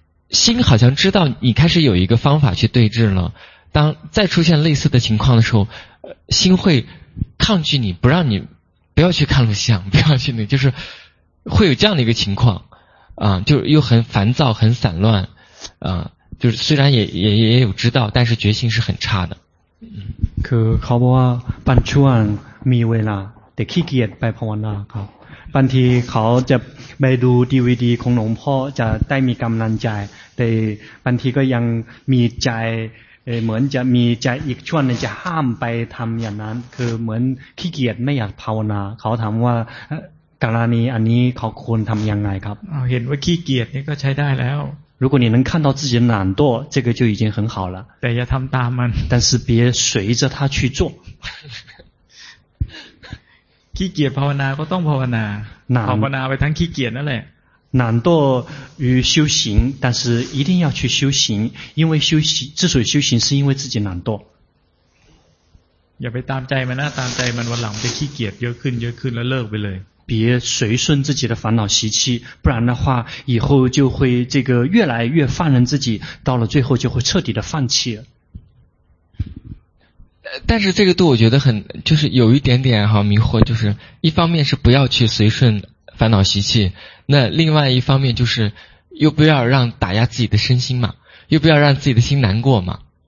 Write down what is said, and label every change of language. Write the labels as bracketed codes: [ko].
[zh] 心好像知道你开始有一个方法去对治了当再出现类似的情况的时候心会抗拒你不让你不要去看录像不要去那就是会有这样的一个情况啊就是又很烦躁很散乱就是虽然也有知道但是决心是很差的 [th] คือเขาบอกว่าบางช่วงมีเวลาแต่ขี้เกียจไปภาวนาครับบางทีเขาจะไปดูดีวีดีของหลวงพ่อจะได้มีกำลังใจแต่บางทีก็ยังมีใจเหมือนจะมีใจอีกช่วงนึงจะห้ามไปทำอย่างนั้นคือเหมือนขี้เกียจไม่อยากภาวนาเขาถามว่า กรณีอันนี้เขาควรทำยังไงครับ เห็นว่าขี้เกียจนี่ก็ใช้ได้แล้ว [zh] 如果你能看到自己的懒惰这个就已经很好了 [th] แต่อย่าทำตามมัน [zh] 但是别随着他去做 [th] ขี้เกียจภาวนาก็ต้องภาวนาภาวนาไปทั้งขี้เกียจนั่นแหละ [zh] 懒惰于修行但是一定要去修行因为修行之所以修行是因为自己懒惰 [th] อย่าไปตามใจมันนะตามใจมันวันหลังไปขี้เกียจเยอะขึ้นเยอะขึ้นแล้วเลิกไปเลย [zh] 别随顺自己的烦恼习气不然的话以后就会这个越来越放任自己到了最后就会彻底的放弃了但是这个度我觉得很就是有一点点好迷惑就是一方面是不要去随顺烦恼习气那另外一方面就是又不要让打压自己的身心嘛又不要让自己的心难过嘛